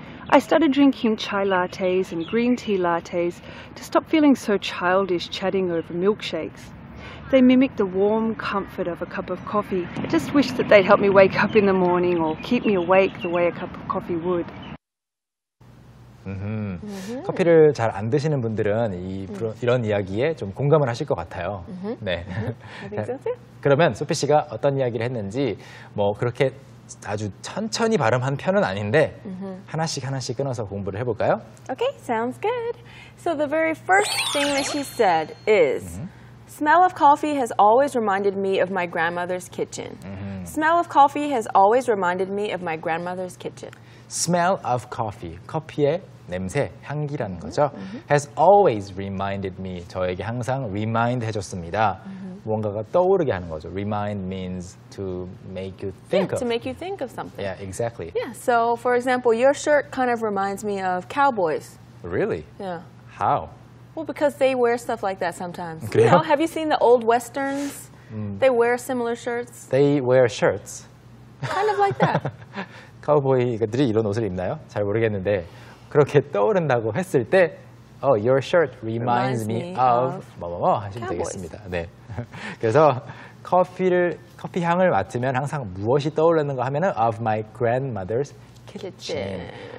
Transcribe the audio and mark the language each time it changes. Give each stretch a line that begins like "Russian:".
English: I started drinking chai lattes and green tea lattes to stop feeling so childish chatting over milkshakes. They mimic the warm comfort of a cup of coffee. I just wish that they'd help me wake up in the morning or keep me awake the way a cup of coffee would. Mm-hmm. Mm-hmm.
Korean: 커피를 잘 안 드시는 분들은 이, 이런 이야기에 좀 공감을 하실 것 같아요. Mm-hmm. 네. Mm-hmm. 그러면 소피 씨가 어떤 이야기를 했는지 뭐 그렇게 아주 천천히 발음한 편은 아닌데 하나씩 하나씩 끊어서 공부를 해볼까요?
English: Okay, sounds good. So the very first thing that she said is smell of coffee has always reminded me of my grandmother's kitchen. Smell of coffee has always reminded me of my grandmother's kitchen. Smell of coffee,
Korean: 커피의 냄새, 향기라는 거죠.
English: Has always reminded me,
Korean: 저에게 항상
English: remind
Korean: 해줬습니다. 뭔가가 떠오르게 하는 거죠.
English: Remind means to make you think of. To make you think of something. Yeah, exactly. Yeah, so for example, your shirt kind of reminds me of cowboys. Really? Yeah. How? Well, because they wear stuff like that sometimes.
Korean: 그래요?
English: You know, have you seen the old westerns? They wear similar shirts. They wear shirts. Kind of like that.
Korean: 카우보이들이 이런 옷을 입나요? 잘 모르겠는데 그렇게 떠오른다고 했을 때
English: Oh, your shirt reminds me of
Korean: 뭐뭐뭐 하시면
English: cowboys.
Korean: 되겠습니다. 네. 그래서 커피 향을 맡으면 항상 무엇이 떠오르는가 하면은
English: of my grandmother's kitchen.